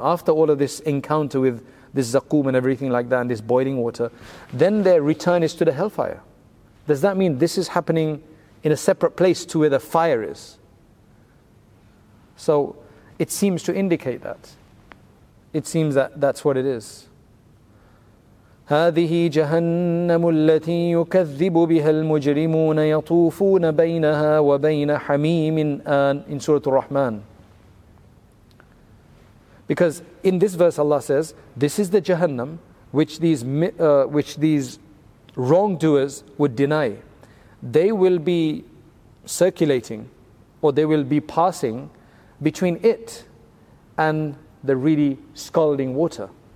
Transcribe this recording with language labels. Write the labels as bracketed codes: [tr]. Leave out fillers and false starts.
[en] After all of this encounter with this zakum and everything like that, and this boiling water, then their return is to the hellfire. Does that mean this is happening in a separate place to where the fire is? So, it seems to indicate that. It seems that that's what it is. [ar] هذه جهنم التي يكذب بها المجرمون يطوفون بينها وبين حميم آن. [en] In Surah Al-Rahman. Because in this verse Allah says, this is the Jahannam which these wrongdoers would deny. They will be circulating, or they will be passing between it and the really scalding water.